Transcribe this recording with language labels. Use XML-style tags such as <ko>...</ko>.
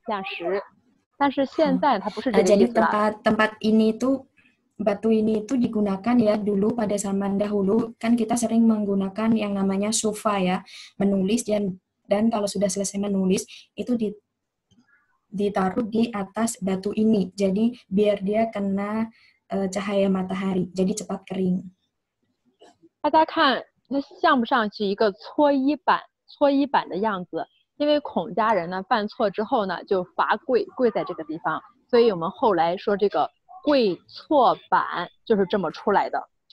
<zh>写完书法以后，把这个纸晾在这个地方的一个晾石，我们叫做小凉台晾石。但是现在它不是这个意思了。</zh> <id>Jadi tempat ini tuh batu ini tuh digunakan ya dulu pada zaman dahulu kan kita sering menggunakan yang namanya sufa ya menulis dan kalau sudah selesai menulis itu ditaruh di atas batu ini jadi biar dia kena cahaya matahari jadi cepat kering.</id> <zh>大家看。那像不像是一个搓衣板的样子？因为孔家人呢犯错之后呢，就罚跪，跪在这个地方，所以我们后来说这个跪搓板就是这么出来的。</zh>